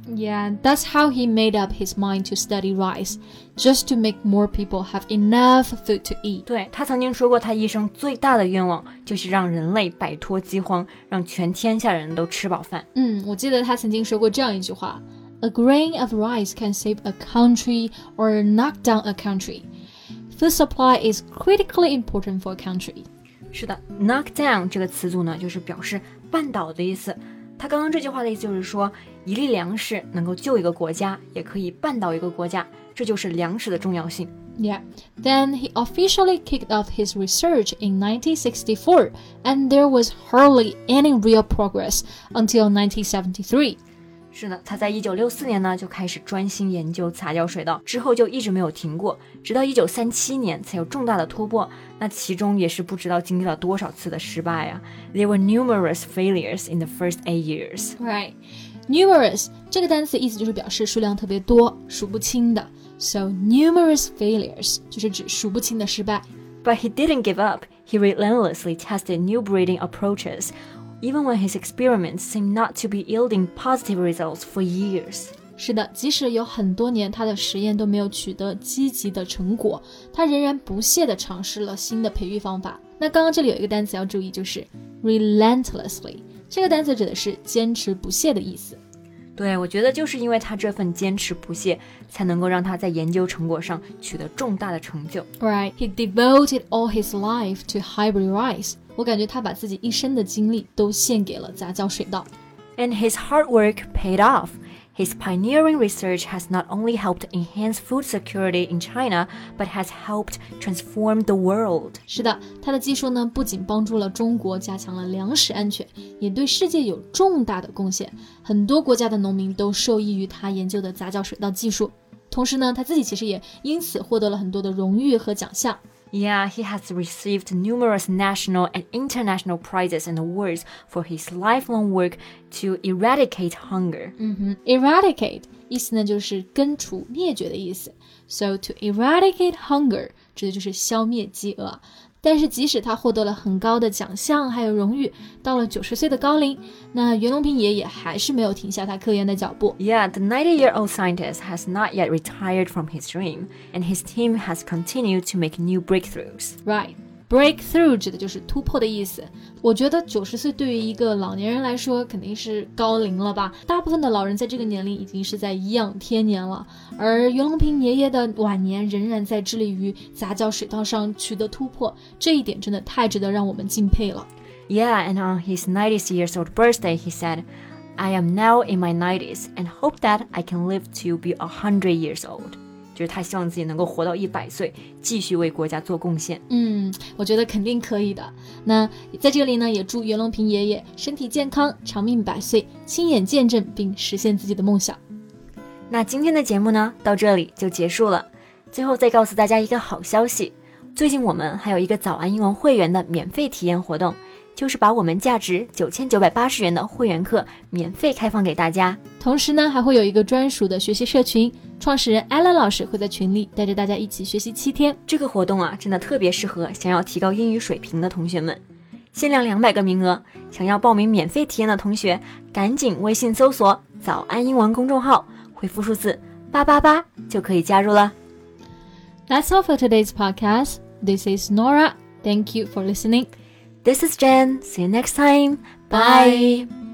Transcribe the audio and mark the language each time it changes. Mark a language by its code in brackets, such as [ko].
[en] Yeah, that's how he made up his mind to study rice, just to make more people have enough food to eat. [zh] 对，他曾经说过他一生最大的愿望就是让人类摆脱饥荒，让全天下人都吃饱饭。我记得他曾经说过这样一句话， [en] A grain of rice can save a country or knock down a country. Food supply is critically important for a country. [zh] 是的 knock down 这个词组呢就是表示绊倒的意思。他刚刚这句话的意思就是说一粒粮食能够救一个国家也可以绊倒一个国家这就是粮食的重要性。 [en] Yeah, then he officially kicked off his research in 1964, and there was hardly any real progress until 1973. [zh] 是的，他在1964年呢就开始专心研究杂交水稻，之后就一直没有停过，直到1937年才有重大的突破。那其中也是不知道经历了多少次的失败啊。 [en] There were numerous failures in the first 8 years. [zh] Right, numerous 这个单词意思就是表示数量特别多，数不清的。 So numerous failures 就是指数不清的失败。 [en] But he didn't give up. He relentlessly tested new breeding approaches, even when his experiments seemed not to be yielding positive results for years. [zh] 是的，即使有很多年他的实验都没有取得积极的成果，他仍然不懈地尝试了新的培育方法。那刚刚这里有一个单词要注意，就是 relentlessly. 这个单词指的是坚持不懈的意思。对，我觉得就是因为他这份坚持不懈，才能够让他在研究成果上取得重大的成就。 [en] Right, he devoted all his life to hybrid rice. [zh] 我感觉他把自己一生的精力都献给了杂交水稻。 [en] And his hard work paid off. His pioneering research has not only helped enhance food security in China, but has helped transform the world. [zh] 是的，他的技术呢，不仅帮助了中国加强了粮食安全，也对世界有重大的贡献。很多国家的农民都受益于他研究的杂交水稻技术。同时呢，他自己其实也因此获得了很多的荣誉和奖项。 [en] Yeah, he has received numerous national and international prizes and awards for his lifelong work to eradicate hunger. [zh] Eradicate, 意思呢就是根除灭绝的意思。 [en] So to eradicate hunger, [zh] 指的就是消灭饥饿。但是即使他获得了很高的奖项还有荣誉，到了90岁的高龄，那袁隆平爷爷还是没有停下他科研的脚步。 [en] Yeah, the 90-year-old scientist has not yet retired from his dream, and his team has continued to make new breakthroughs. [zh] Right, breakthrough 指的就是突破的意思。我觉得90岁对于一个老年人来说肯定是高龄了吧，大部分的老人在这个年龄已经是在颐养天年了，而袁隆平爷爷的晚年仍然在致力于杂交水稻上取得突破，这一点真的太值得让我们敬佩了。 [en] Yeah, and on his 90th years old birthday, he said, I am now in my 90s and hope that I can live to be 100 years old. [zh] 就是他希望自己能够活到100岁，继续为国家做贡献。嗯，我觉得肯定可以的。那在这里呢，也祝袁隆平爷爷身体健康，长命百岁，亲眼见证并实现自己的梦想。那今天的节目呢，到这里就结束了。最后再告诉大家一个好消息，最近我们还有一个早安英文会员的免费体验活动，就是把我们价值9980元的会员课免费开放给大家。同时呢，还会有一个专属的学习社群，创始人 Alan 老师会在群里带着大家一起学习7天。这个活动啊，真的特别适合想要提高英语水平的同学们，限量200个名额。想要报名免费体验的同学，赶紧微信搜索早安英文公众号，回复数字888就可以加入了。 [en] That's all for today's podcast. This is Nora. Thank you for listening. This is Jen. See you next time. Bye.